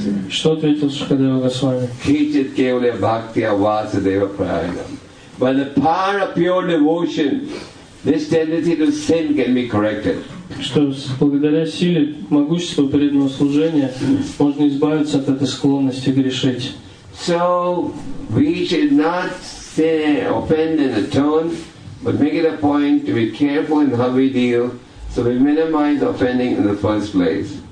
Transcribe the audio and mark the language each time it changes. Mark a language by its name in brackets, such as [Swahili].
[Russian] Что ответил Шукадева Госвами? [Sanskrit] Хичит кевля бхактия васадева прайна. [English] By the power of pure devotion, this tendency to sin can be corrected. [Russian] Что благодаря силе могущества преданного служения можно избавиться от этой склонности грешить. [English] So we should not sin, offend and atone, but make it a point to be careful in how we deal, so we minimize offending in the first place.